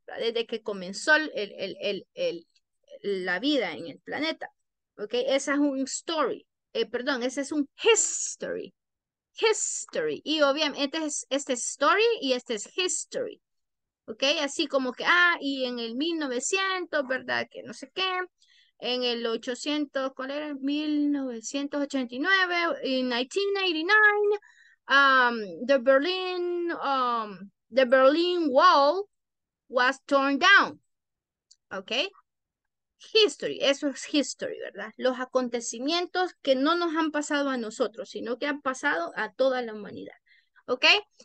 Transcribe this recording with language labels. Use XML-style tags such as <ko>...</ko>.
<es>Desde que comenzó la vida en el planeta. Ok, esa es un story. Perdón, ese es un history. History. Y obviamente este es story y este es history. Ok, así como que, y en el 1900, ¿verdad? Que no sé qué. En el 800, ¿cuál era?</es> <en>1989. En 1989, the Berlin Wall was torn down, okay?</en> <es>History, eso es history, ¿verdad? Los acontecimientos que no nos han pasado a nosotros, sino que han pasado a toda la humanidad, okay?</es>